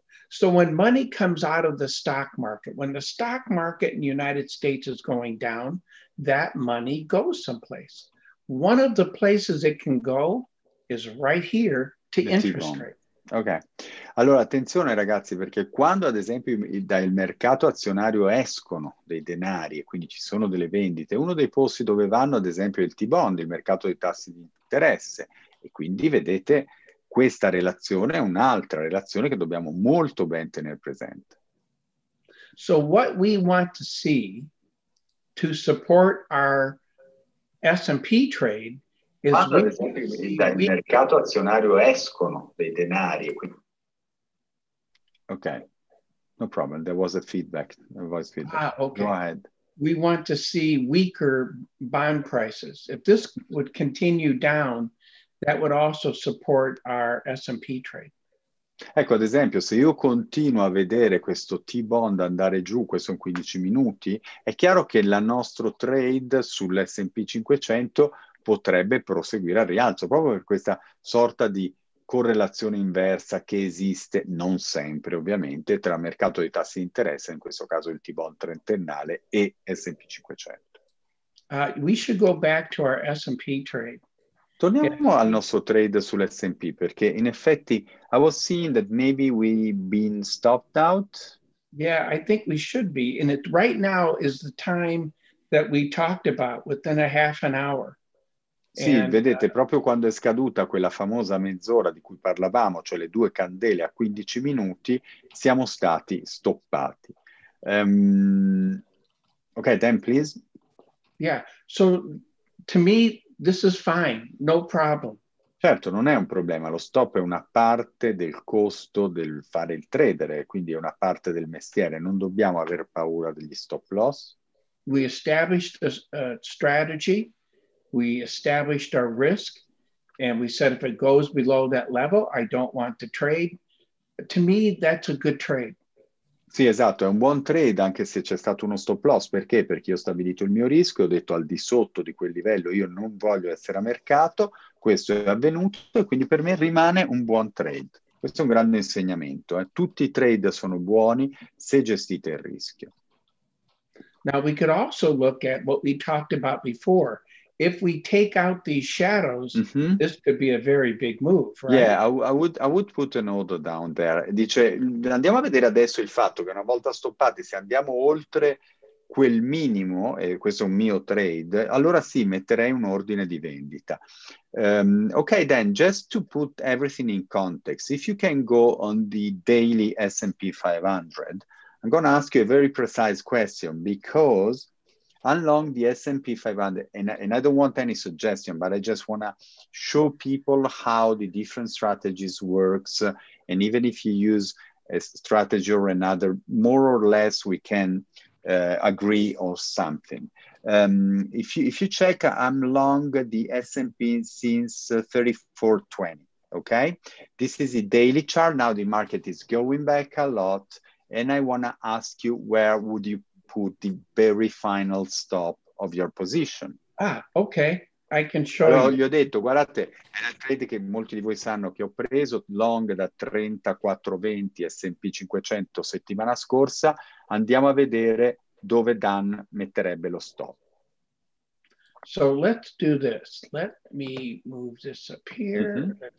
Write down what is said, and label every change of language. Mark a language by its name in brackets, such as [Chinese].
[English] So when money comes out of the stock market, when the stock market in the United States is going down, that money goes someplace. One of the places it can go is right here to interest rate. [Italian] Ok, allora attenzione ragazzi, perché quando ad esempio dal mercato azionario escono dei denari e quindi ci sono delle vendite, uno dei posti dove vanno ad esempio è il T-bond, il mercato dei tassi di interesse, e quindi vedete questa relazione è un'altra relazione che dobbiamo molto ben tenere presente. [English] So what we want to see to support our S&P trade is [Italian] Quando ad esempio dal mercato azionario escono dei denari. [English] Ok, no problem, there was a feedback. Okay. Go ahead. We want to see weaker bond prices. If this would continue down, that would also support our S&P trade. [Italian] Ecco, ad esempio, se io continuo a vedere questo T-bond andare giù, questo sono 15 minuti, è chiaro che il nostro trade sull'S&P 500 potrebbe proseguire al rialzo, proprio per questa sorta di correlazione inversa che esiste, non sempre ovviamente, tra mercato dei tassi di interesse, in questo caso il T-bond trentennale, e S&P 500. [English] We should go back to our S&P trade. [Italian] Torniamo al nostro trade sull'S&P, perché in effetti [English] I was seeing that maybe we've been stopped out. Yeah, I think we should be. And it, right now is the time that we talked about, within a half an hour. [Italian] Sì, and, vedete, proprio quando è scaduta quella famosa mezz'ora di cui parlavamo, cioè le due candele a 15 minuti, siamo stati stoppati. [English] Ok, then please. Yeah, so to me... This is fine, no problem. [Italian] Certo, non è un problema. Lo stop è una parte del costo del fare il trader, quindi è una parte del mestiere. Non dobbiamo aver paura degli stop loss. [English] We established a strategy, we established our risk, and we said if it goes below that level, I don't want to trade. To me, that's a good trade. [Italian] Sì, esatto, è un buon trade anche se c'è stato uno stop loss. Perché? Perché io ho stabilito il mio rischio, ho detto al di sotto di quel livello io non voglio essere a mercato, questo è avvenuto e quindi per me rimane un buon trade. Questo è un grande insegnamento. Eh? Tutti i trade sono buoni se gestite il rischio. [English] Now we could also look at what we talked about before. If we take out these shadows, this could be a very big move, right? Yeah, I would put an order down there. [Italian] Dice, andiamo a vedere adesso il fatto che una volta stoppati, se andiamo oltre quel minimo, e questo è un mio trade, allora sì, metterei un ordine di vendita. [English] Okay, then, just to put everything in context, if you can go on the daily S&P 500, I'm going to ask you a very precise question, because... along the S&P 500, and I don't want any suggestion, but I just want to show people how the different strategies works. And even if you use a strategy or another, more or less, we can agree on something. If you check, I'm long the S&P since 3420, okay? This is a daily chart. Now the market is going back a lot. And I want to ask you, where would you put the very final stop of your position. Ah, okay. I can show you. [Italian] Gli ho detto, guardate, è un trade che molti di voi sanno che ho preso long da 3420 S&P 500 settimana scorsa. Andiamo a vedere dove Dan metterebbe lo stop. [English] So let's do this. Let me move this up here.